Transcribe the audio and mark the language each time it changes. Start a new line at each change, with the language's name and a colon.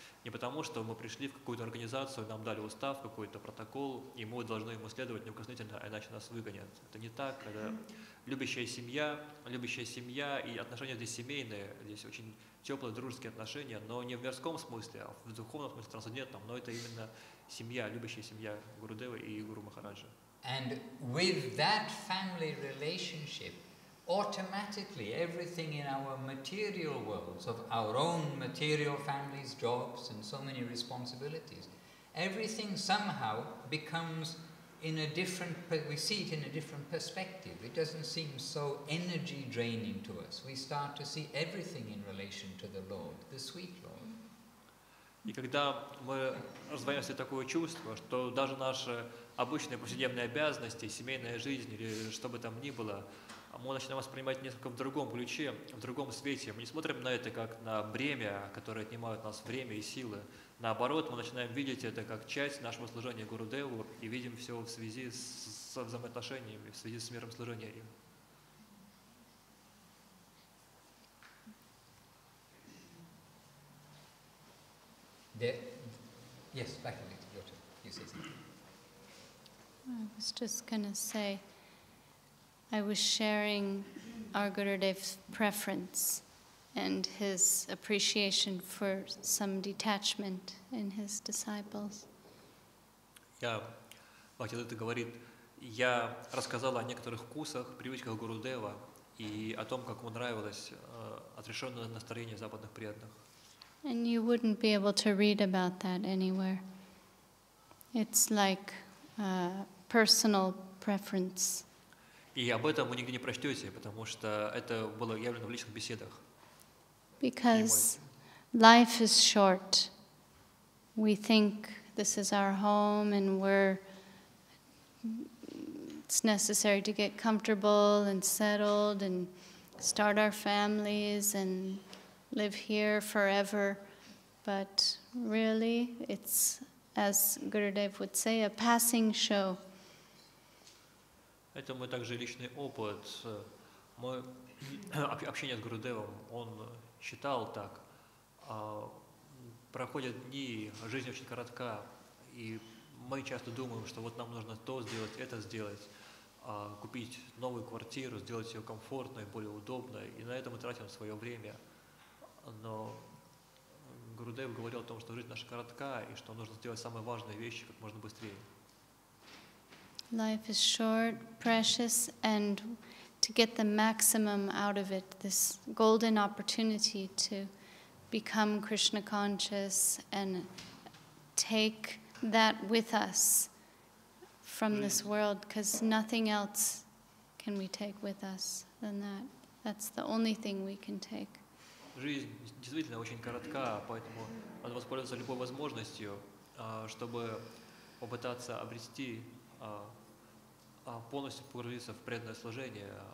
Russian: Не потому, что мы пришли в какую-то организацию, нам дали устав, какой-то протокол, и мы должны ему следовать неукоснительно, иначе нас выгонят. Это не так. Это любящая семья, и отношения здесь семейные. Здесь очень теплые, дружеские отношения, но не в мирском смысле, а в духовном смысле, трансцендентном. Но это именно семья, любящая семья Гуру Девы и Гуру Махараджа.
English: And with that family relationship, automatically everything in our material worlds, of our own material families, jobs, and so many responsibilities, everything somehow becomes in a different, we see it in a different perspective. It doesn't seem so energy draining to us. We start to see everything in relation to the Lord, the sweet Lord.
Russian: И когда мы развиваемся такое чувство, что даже наши обычные повседневные обязанности, семейная жизнь или что бы там ни было, мы начинаем воспринимать несколько в другом ключе, в другом свете. Мы не смотрим на это как на бремя, которое отнимает у нас время и силы. Наоборот, мы начинаем видеть это как часть нашего служения Гуру Деву и видим все в связи с взаимоотношениями, в связи с миром служения им.
English: Yes, back to your turn. You say something. I was just going to say, I was sharing our Gurudev's preference and his appreciation for some detachment in his disciples.
Russian: Я, Бхактилита говорит, я рассказала о некоторых вкусах, привычках Гурудева и о том, как ему нравилось отрешенное настроение западных преданных.
English: And you wouldn't be able to read about that anywhere. It's like personal preference.
Russian: И об этом вы нигде не прочтете, потому что это было явлено в личных беседах.
English: Because life is short. We think this is our home and it's necessary to get comfortable and settled and start our families and live here forever. But really, it's, as Gurudev would say, a passing show.
Russian: Это мой также личный опыт. Мы общение с Гурудевом, он считал так. Проходят дни, жизнь очень коротка, и мы часто думаем, что вот нам нужно то сделать, это сделать, купить новую квартиру, сделать ее комфортной, более удобной, и на это мы тратим свое время. Но Гурудев говорил о том, что жизнь наша коротка, и что нужно сделать самые важные вещи как можно быстрее.
English: Life is short, precious, and to get the maximum out of it, this golden opportunity to become Krishna conscious and take that with us from this world, because nothing else can we take with us than that. That's the only thing we can take.
Russian: Жизнь действительно очень коротка, поэтому надо воспользоваться любой возможностью, чтобы попытаться обрести, полностью погрузиться в преданное служение.